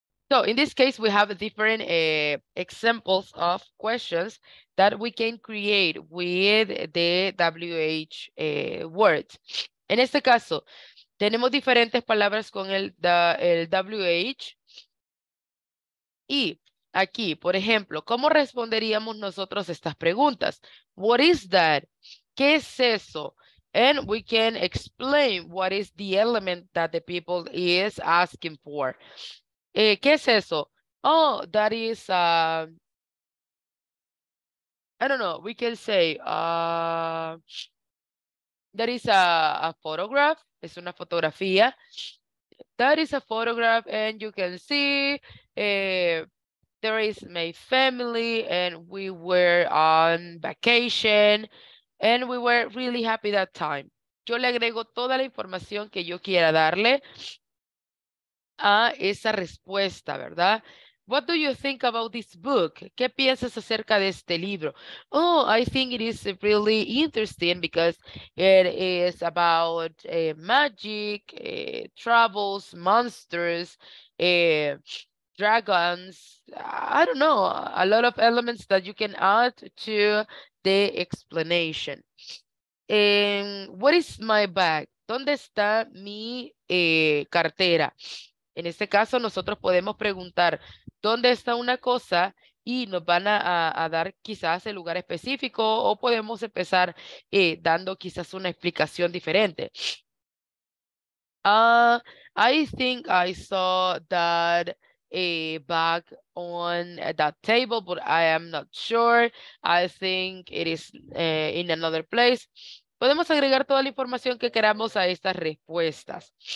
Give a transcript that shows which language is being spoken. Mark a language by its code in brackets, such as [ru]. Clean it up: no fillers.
[en] So, in this case, we have different examples of questions that we can create with the WH words. [es] En este caso, tenemos diferentes palabras con el WH. Y aquí, por ejemplo, ¿cómo responderíamos nosotros estas preguntas? [en] What is that? [es] ¿Qué es eso? [en] And we can explain what is the element that the people is asking for. [es] ¿Qué es eso? [en] Oh, that is, I don't know, we can say, that is a photograph, [es] es una fotografía. [en] That is a photograph, and you can see, there is my family, and we were on vacation, and we were really happy that time. [es] Yo le agrego toda la información que yo quiera darle a esa respuesta, ¿verdad? [en] What do you think about this book? [es] ¿Qué piensas acerca de este libro? [en] Oh, I think it is really interesting because it is about magic, travels, monsters, dragons. I don't know, a lot of elements that you can add to the explanation. What is my bag? [es] ¿Dónde está mi cartera? En este caso, nosotros podemos preguntar dónde está una cosa y nos van a dar quizás el lugar específico o podemos empezar dando quizás una explicación diferente. [en] I think I saw that bag on that table, but I am not sure. I think it is in another place. [es] Podemos agregar toda la información que queramos a estas respuestas.